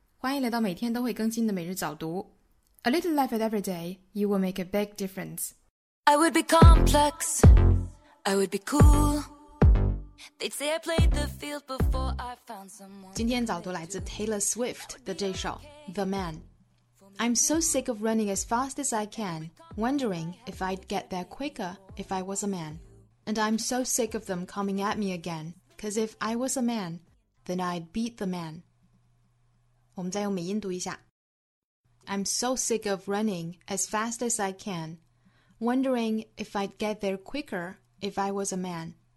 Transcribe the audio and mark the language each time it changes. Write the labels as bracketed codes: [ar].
[zh] 欢迎来到每天都会更新的每日早读。 [en] A little life at every day, you will make a big difference. I would be complex, I would be cool. They'd say I played the field before I found someone. [zh] 今天早读来自 Taylor Swift 的这首 The Man. [en] I'm so sick of running as fast as I can, wondering if I'd get there quicker if I was a man. And I'm so sick of them coming at me again, cause if I was a man,Then I'd beat the man. [zh] 我们再用美音读一下。 [en] I'm so sick of running as fast as I can, wondering if I'd get there quicker if I was a man.